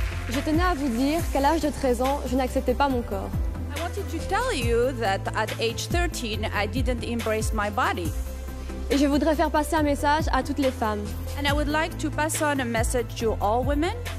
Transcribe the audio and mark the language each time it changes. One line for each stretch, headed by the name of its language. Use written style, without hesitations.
French: Je tenais à vous dire qu'à l'âge de 13 ans, je n'acceptais pas mon corps.
English: I wanted to tell you that at age 13, I didn't embrace my body.
French: Et je voudrais faire passer un message à toutes les femmes.
English: And I would like to pass on a message to all women.